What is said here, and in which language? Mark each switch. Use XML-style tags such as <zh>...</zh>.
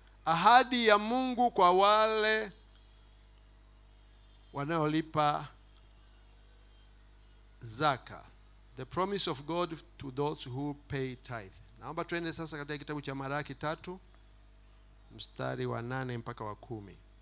<sw>Ahadi ya Mungu kwa wale wanaolipa zaka.</sw> <en>The promise of God to those who pay tithe.</en> <sw>Naomba twende sasa katika kitabu cha Malaki 3 mstari wa 8 mpaka wa 10.</sw>